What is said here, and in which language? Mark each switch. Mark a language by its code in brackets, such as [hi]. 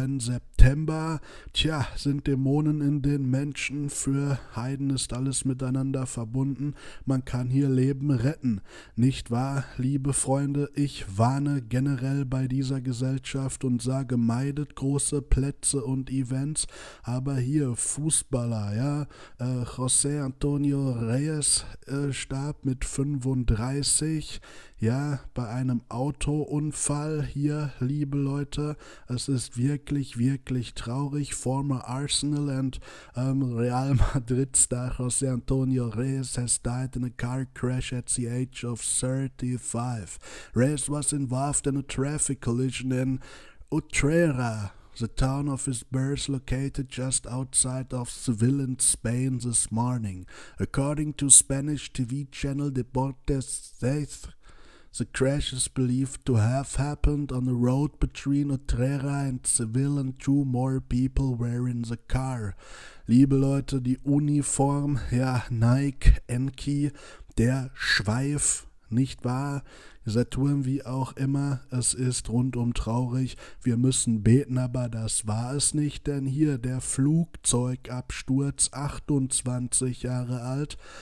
[de] September, tja, sind Dämonen in den Menschen, für Heiden ist alles miteinander verbunden, man kann hier Leben retten, nicht wahr, liebe Freunde, ich warne generell bei dieser Gesellschaft und sage, meidet große Plätze und Events, aber hier, Fußballer, ja, José Antonio Reyes starb mit 35, ja, bei einem Autounfall hier, liebe Leute. Es ist wirklich, wirklich traurig. [en] Former Arsenal and Real Madrid Star José Antonio Reyes has died in a car crash at the age of 35. Reyes was involved in a traffic collision in Utrera, the town of his birth, located just outside of Seville in Spain this morning. According to Spanish TV channel Deportes 6, the crash is believed to have happened on the road between Utrera and Seville, and two more people were in the car. [de] Liebe Leute, die Uniform, ja, Nike, Enki, der Schweif, nicht wahr? Saturn, wie auch immer, es ist rundum traurig. Wir müssen beten, aber das war es nicht, denn hier der Flugzeugabsturz, 28 Jahre alt.